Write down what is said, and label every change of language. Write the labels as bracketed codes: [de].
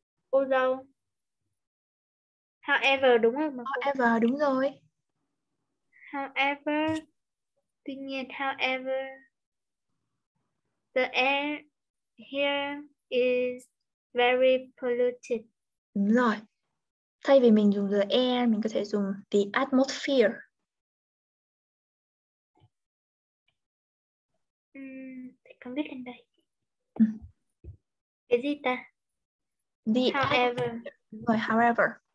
[vi] cô dâu however đúng không mà cô? However đúng rồi. [en] However, [vi] tuy nhiên, [en] however, the air here is very polluted. [vi] Đúng rồi. Thay vì mình dùng the air, mình có thể dùng [en] the atmosphere. [vi] Không biết lên đây. Cái gì ta? [en] The however. [vi] Rồi, however.